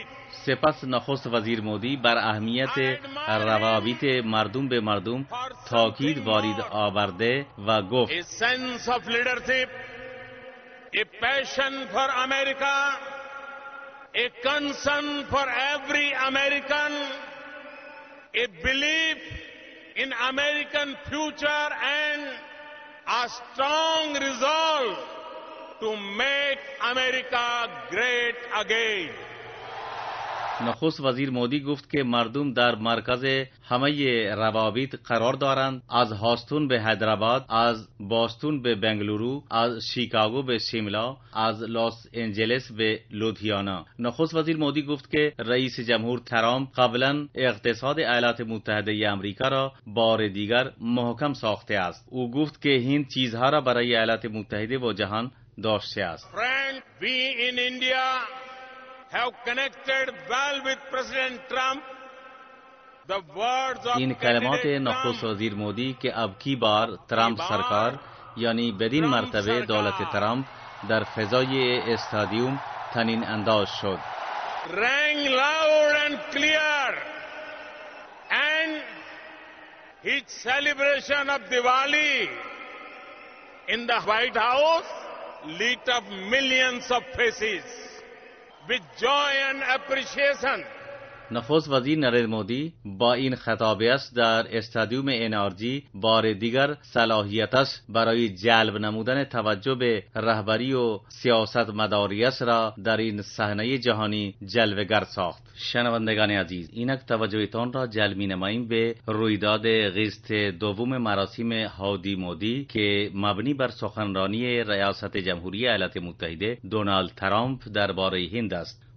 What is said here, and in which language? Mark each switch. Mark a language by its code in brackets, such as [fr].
[fa] سپس نخست وزیر مودی بر اهمیت روابط مردم به مردم تاکید وارد آورده و گفت: [en] Essence of leadership, a passion for America, a concern for every American, a belief in American future and a strong resolve to make America great again. [fa] نخست وزیر مودی گفت که مردم در مرکز همه روابط قرار دارند، از هاستون به حیدرآباد، از باستون به بنگلورو، از شیکاگو به شیملا، از لاس انجلس به لودهیانا. نخست وزیر مودی گفت که رئیس جمهور ترامپ قبلا اقتصاد ایالات متحده آمریکا را بار دیگر محکم ساخته است. او گفت که این چیزها را برای ایالات متحده و جهان داشته است. [en] Friend, we in India have connected well with President Trump. The words of [fa] این کلمات نخست وزیر مودی که [hi] اب کی بار ترامپ سرکار [fa] یعنی بدین مرتبه دولت ترامپ در فضای استادیوم تنین انداز شد. [en] Rang loud and clear, and his celebration of Diwali in the White House lit up millions of faces. With joy and appreciation. [fa] نخست وزیر نریندر مودی با این خطابش در استادیوم انرژی بار دیگر صلاحیتش برای جلب نمودن توجه به رهبری و سیاست مداریش را در این صحنه جهانی جلوه‌گر ساخت. شنوندگان عزیز، اینک توجهتان را جلب می‌نماییم به رویداد قسط دوم مراسم هادی مودی که مبنی بر سخنرانی ریاست جمهوری ایالات متحده دونالد ترامپ درباره هند است.